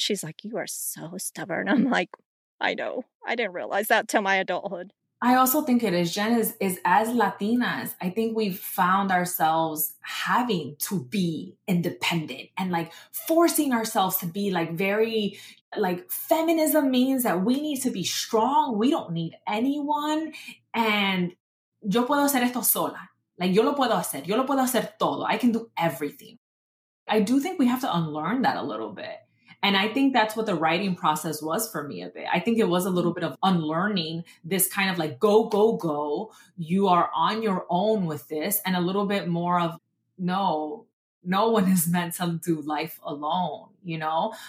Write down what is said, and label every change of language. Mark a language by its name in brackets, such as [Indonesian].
[English] She's like, you are so stubborn. I'm like, I know. I didn't realize that till my adulthood. I also think it is, Jen, is as Latinas, I think we've found ourselves having to be independent and like forcing ourselves to be like very, like feminism means that we need to be strong. We don't need anyone. [Spanish] And yo puedo hacer esto sola. Like yo lo puedo hacer. Yo lo puedo hacer todo. [English] I can do everything. I do think we have to unlearn that a little bit. And I think that's what the writing process was for me a bit. I think it was a little bit of unlearning this kind of like, go, go, go. You are on your own with this. And a little bit more of, no, no one is meant to do life alone, you know?